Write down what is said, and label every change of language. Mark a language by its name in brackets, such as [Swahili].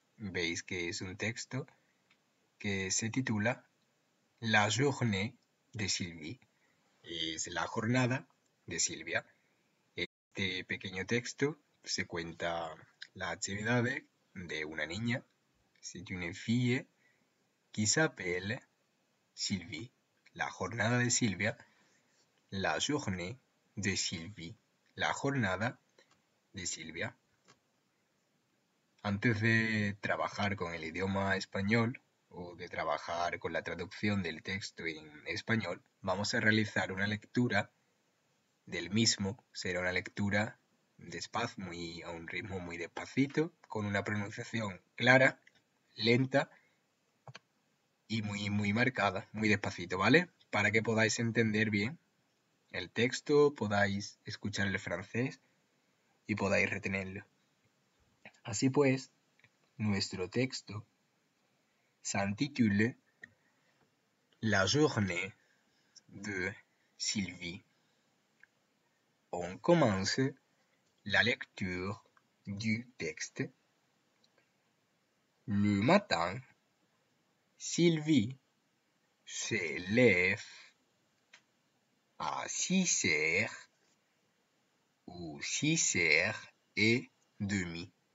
[Spanish] Veis que es un texto que se titula [French] La journée de Sylvie. [Spanish] Es la jornada de Silvia. Este pequeño texto se cuenta las actividades de una niña. [French] C'est une fille qui s'appelle Sylvie. [Spanish] La jornada de Silvia. [French] La journée de Sylvie. [Spanish] La jornada de Silvia. Antes de trabajar con el idioma español o de trabajar con la traducción del texto en español, vamos a realizar una lectura del mismo. Será una lectura despacio, a un ritmo muy despacito, con una pronunciación clara, lenta y muy, muy marcada, muy despacito, ¿vale? Para que podáis entender bien el texto, podáis escuchar el francés y podáis retenerlo. Así pues, nuestro texto se titula [French] La journée de Sylvie. On commence la lecture du texte. Le matin, Sylvie s'élève à 6 heures ou 6 heures et demie.